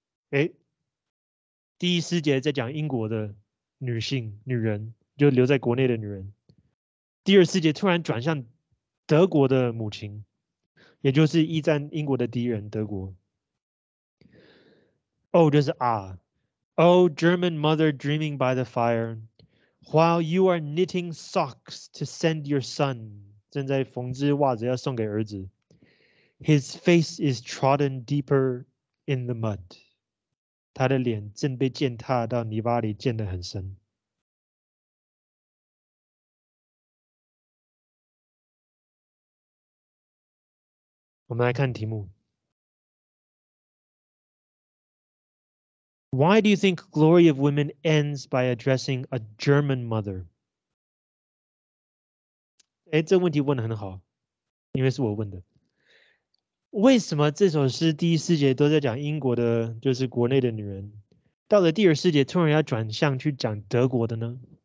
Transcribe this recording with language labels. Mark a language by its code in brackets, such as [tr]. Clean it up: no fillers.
[zh] 诶，第一诗节在讲英国的女性女人，就留在国内的女人。第二诗节突然转向德国的母亲，也就是一战英国的敌人德国。 Oh, 就是啊。 [en] Oh, German mother dreaming by the fire, while you are knitting socks to send your son, [zh] 正在缝制袜子要送给儿子。 [en] His face is trodden deeper in the mud. [zh] 他的脸正被践踏到泥巴里，溅得很深。我们来看题目。 [en] Why do you think Glory of Women ends by addressing a German mother? [zh] 哎，这问题问得很好，因为是我问的。为什么这首诗第一四节都在讲英国的，就是国内的女人，到了第二四节突然要转向去讲德国的呢？